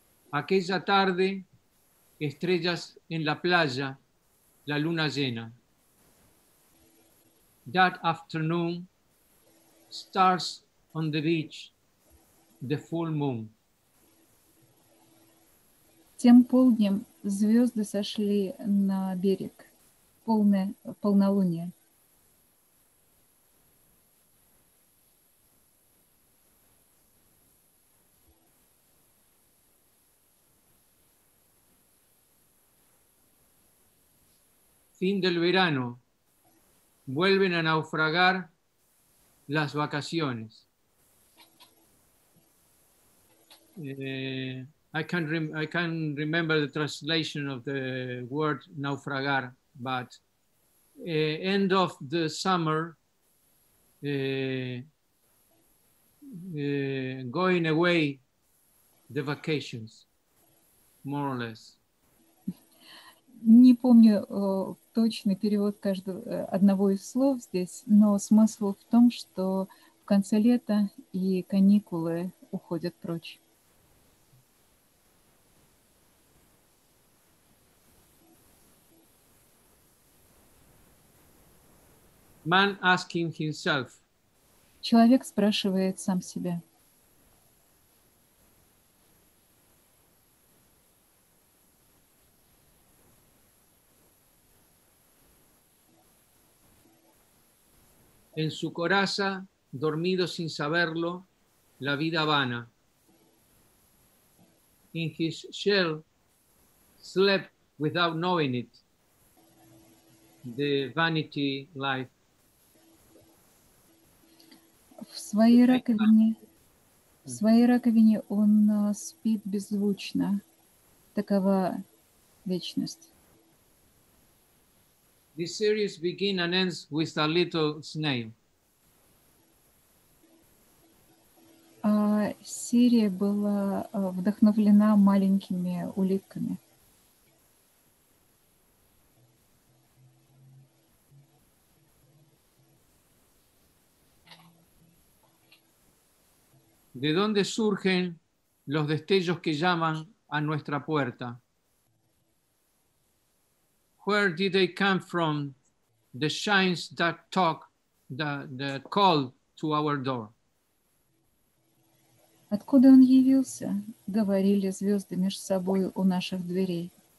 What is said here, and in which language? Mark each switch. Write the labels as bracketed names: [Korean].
[Spanish] Aquella tarde, estrellas en la playa, la luna llena. [English] That afternoon, stars on the beach, the full moon. [Russian] Тем полднем звезды сошли на берег, полнолуние. [Spanish] Fin del verano, vuelven a naufragar las vacaciones. [English] I can't remember the translation of the word naufragar, but end of the summer, going away, the vacations, more or less. [Russian] Не помню точный перевод каждого одного из слов здесь, но смысл в том, что в конце лета и каникулы уходят прочь. [English] Man asking himself. [Russian] Человек спрашивает сам себя. [Spanish] En su coraza, dormido sin saberlo, la vida vana. [English] In his shell, slept without knowing it, the vanity life. [Russian] В своей раковине он спит беззвучно. Такова вечность. [English] This series begins and ends with a little snail. [Russian] Серия была вдохновлена маленькими улитками. [Spanish] ¿De dónde surgen los destellos que llaman a nuestra puerta? [English] Where did they come from, the shines that talk, the call to our door? [Russian] Откуда он явился? Говорили звезды между собой у наших дверей.